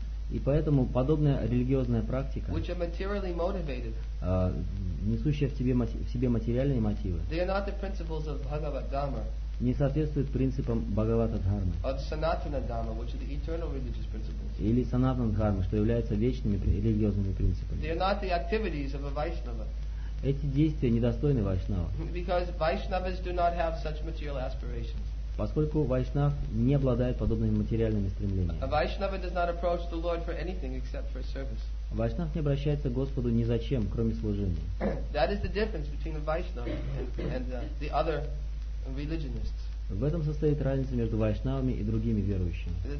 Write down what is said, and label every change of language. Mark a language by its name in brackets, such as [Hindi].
[Russian] И поэтому подобная религиозная практика, [English] which are materially motivated, [Russian] несущая в себе материальные мотивы, [English] they are not the principles of Bhagavad Dhamma, [Russian] не соответствует принципам Бхагавата Дхармы, [English] or Sanatana Dhamma, which are the eternal religious principles, [Russian] или Санатана Дхармы, что является вечными религиозными принципами. [English] They are not the activities of a Vaishnava. [Russian] Эти действия недостойны Вайшнава. [English] Because Vaishnavas do not have such material aspirations. [Russian] Поскольку вайшнав не обладает подобными материальными стремлениями. Вайшнав не обращается к Господу ни за чем, кроме служения. В этом состоит разница между вайшнавами и другими верующими.